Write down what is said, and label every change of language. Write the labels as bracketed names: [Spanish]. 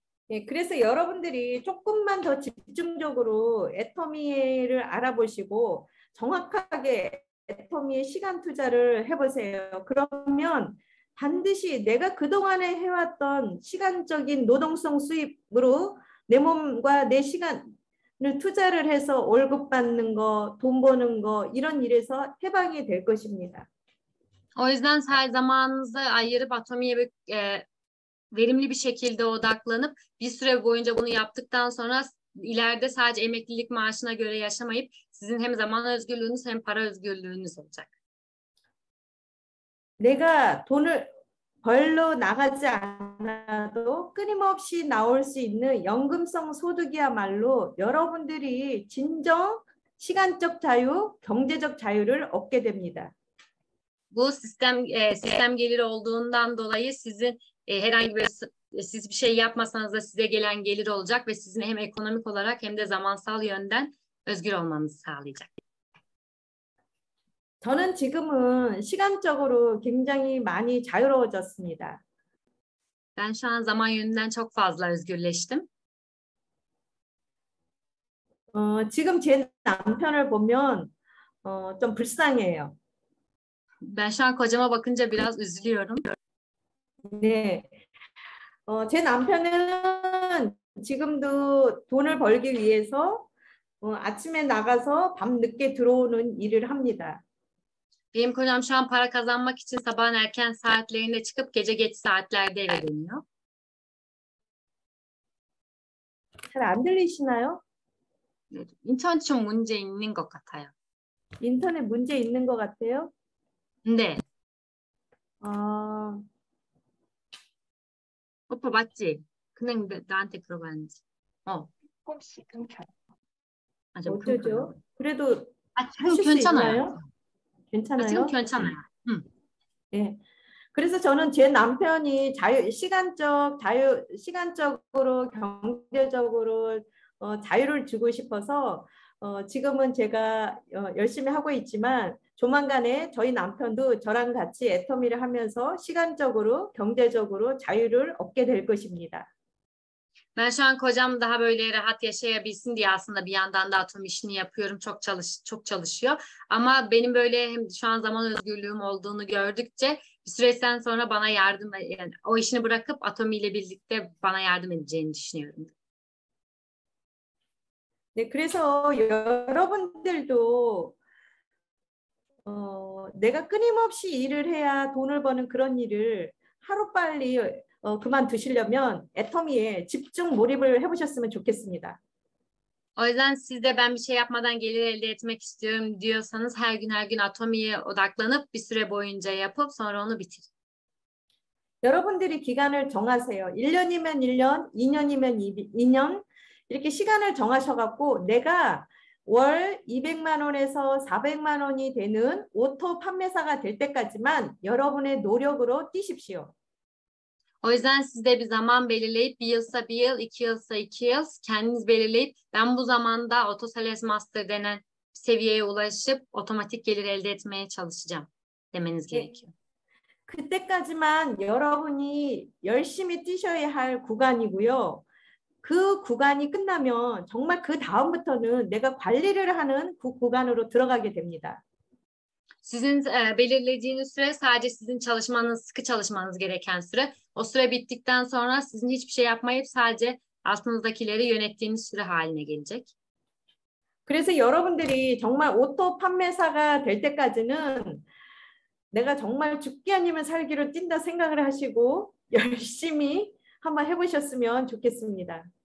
[Korean] 예, 그래서 여러분들이 조금만 더 집중적으로 애터미를 알아보시고 정확하게 애터미의 시간 투자를 해보세요. 그러면 반드시 내가 그동안에 해왔던 시간적인 노동성 수입으로 내 몸과 내 시간을 투자를 해서 월급 받는 거, 돈 버는 거 이런 일에서 해방이 될 것입니다. [Turkish] O yüzden sadece zamanınızı ayırıp atomiye verimli bir şekilde odaklanıp bir süre boyunca bunu yaptıktan sonra ileride sadece emeklilik maaşına göre yaşamayıp sizin hem zaman özgürlüğünüz hem para özgürlüğünüz olacak. [Korean] 내가 돈을 벌러 나가지 않아도 끊임없이 나올 수 있는 연금성 소득이야말로 여러분들이 진정 시간적 자유, 경제적 자유를 얻게 됩니다. 뭐 시스템 [Turkish] geliri olduğundan dolayı sizin herhangi bir siz bir şey yapmasanız da size gelen gelir olacak ve sizin hem ekonomik olarak hem de zamansal yönden özgür olmanızı sağlayacak. [Korean] 저는 지금은 시간적으로 굉장히 많이 자유로워졌습니다. [Turkish] Ben şu an zaman yönünden çok fazla özgürleştim. [Korean] 지금 제 남편을 보면 좀 불쌍해요. [Turkish] Ben şu an kocama bakınca biraz üzülüyorum. [Korean] 네. 제 남편은 지금도 돈을 벌기 위해서 아침에 나가서 밤 늦게 들어오는 일을 합니다. [Turkish] Benim kocam şu an para kazanmak için sabahın erken saatlerinde çıkıp gece geç saatlerde eve dönüyor. [Korean] 잘안 들리시나요? 인터넷 좀 문제 있는 것 같아요. 인터넷 문제 있는 것 같아요? 네. 아. 오빠 맞지? 그냥 나한테 물어봤는지. 조금씩 끊겨요. 아, 좀 끊겨요. 어쩌죠? 그래도 아, 하실 지금 수 괜찮아요. 있나요? 아, 지금 괜찮아요. 예. 네. 그래서 저는 제 남편이 시간적으로, 경제적으로 자유를 주고 싶어서 지금은 제가 열심히 하고 있지만 조만간에 저희 남편도 저랑 같이 애터미를 하면서 시간적으로, 경제적으로 자유를 얻게 될 것입니다. [Turkish] Ben şu an kocam daha böyle rahat yaşayabilsin diye aslında bir yandan da atom işini yapıyorum. Çok çalışıyor. Ama benim böyle hem şu an zaman özgürlüğüm olduğunu gördükçe bir süreçten sonra bana yardım, yani o işini bırakıp atom ile birlikte bana yardım edeceğini düşünüyorum. [Korean] 네, 그래서 여러분들도 내가 끊임없이 일을 해야 돈을 버는 그런 일을 하루빨리 그만두시려면 애터미에 집중 몰입을 해보셨으면 좋겠습니다. [Turkish] O yüzden siz de ben bir şey yapmadan gelir elde etmek istiyorum diyorsanız her gün atomiye odaklanıp bir süre boyunca yapıp sonra onu bitir. [Korean] 여러분들이 기간을 정하세요. 1년이면 1년, 2년이면 2년. 이렇게 시간을 정하셔갖고 내가 월 200만 원에서 400만 원이 되는 오토 판매사가 될 때까지만 여러분의 노력으로 뛰십시오. [Turkish] O yüzden siz de bir zaman belirleyip 1 yılsa 1 yıl, 2 yılsa 2 yıl kendiniz belirleyip ben bu zamanda AutoSales Master denen seviyeye ulaşıp otomatik gelir elde etmeye çalışacağım demeniz gerekiyor. [Korean] 그때까지만 여러분이 열심히 뛰셔야 할 구간이고요. 그 구간이 끝나면 정말 그 다음부터는 내가 관리를 하는 그 구간으로 들어가게 됩니다. [Turkish] Sizin belirlediğiniz süre sadece sizin çalışmanız, sıkı çalışmanız gereken süre. O süre bittikten sonra sizin hiçbir şey yapmayıp sadece altınızdakileri yönettiğiniz süre haline gelecek. [Korean] 그래서 여러분들이 정말 오토 판매사가 될 때까지는 내가 정말 죽기 아니면 살기로 뛴다 생각을 하시고 열심히 한번 해보셨으면 좋겠습니다.